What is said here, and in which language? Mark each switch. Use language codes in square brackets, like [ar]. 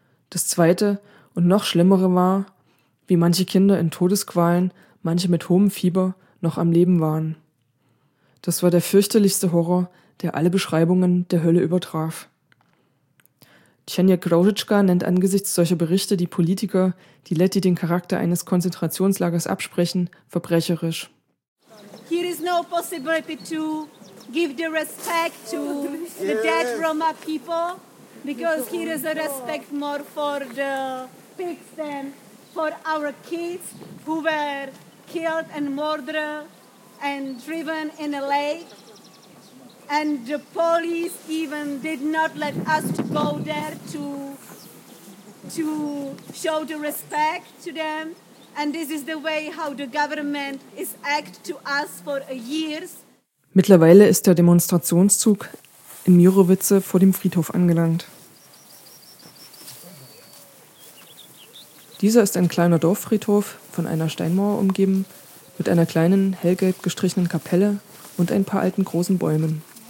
[de] Das Zweite und noch Schlimmere war, wie manche Kinder in Todesqualen, manche mit hohem Fieber, noch am Leben waren. Das war der fürchterlichste Horror, der alle Beschreibungen der Hölle übertraf. Tjenja Grožička nennt angesichts solcher Berichte die Politiker, die Letti den Charakter eines Konzentrationslagers absprechen, verbrecherisch. [en] Here is no possibility to give the respect to the dead Roma people, because here is a respect more for the pigs than for our kids who were killed and murdered and driven in a lake. And the police even did not let us to go there to show the respect to them. And this is the way how the government is act to us for years. [de] Mittlerweile ist der Demonstrationszug in Mirovice vor dem Friedhof angelangt. Dieser ist ein kleiner Dorffriedhof, von einer Steinmauer umgeben, mit einer kleinen, hellgelb gestrichenen Kapelle und ein paar alten großen Bäumen.